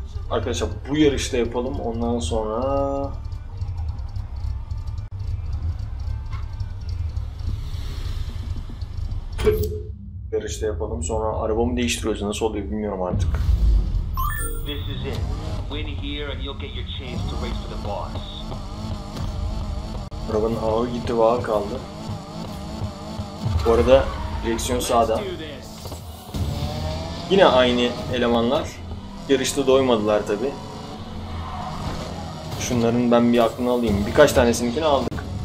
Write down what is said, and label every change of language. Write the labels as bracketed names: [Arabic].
[Turkish] Arkadaşlar bu yarışta yapalım. Ondan sonra yarışta yapalım. Sonra arabamı değiştiriyoruz. Nasıl oluyor bilmiyorum artık. [English] This is it. Win here and you'll get your chance to race for the boss. [Turkish] Arabanın ağı gitti, bağı kaldı. Bu arada direksiyon sağda. Yine aynı elemanlar. Yarışta doymadılar tabi. Şunların ben bir aklını alayım. Birkaç tanesininkini aldık.